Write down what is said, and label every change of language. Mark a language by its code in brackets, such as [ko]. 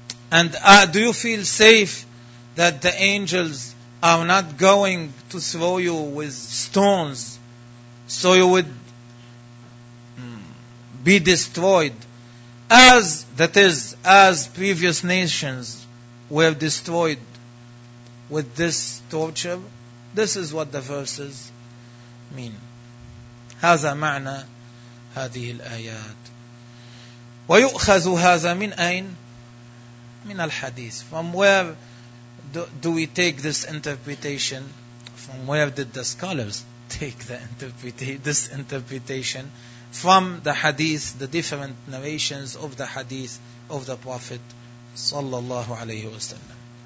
[en] And do you feel safe that the angels are not going to throw you with stones so you would be destroyed, as previous nations were destroyed with this torture? This is what the verses mean. [ar] هذا معنى هذه الآيات. ويؤخذ هذا من أين؟ من الحديث. [en] From where do we take this interpretation? From where did the scholars take this interpretation? From the hadith, the different narrations of the hadith of the Prophet [ar] صلى الله عليه وسلم.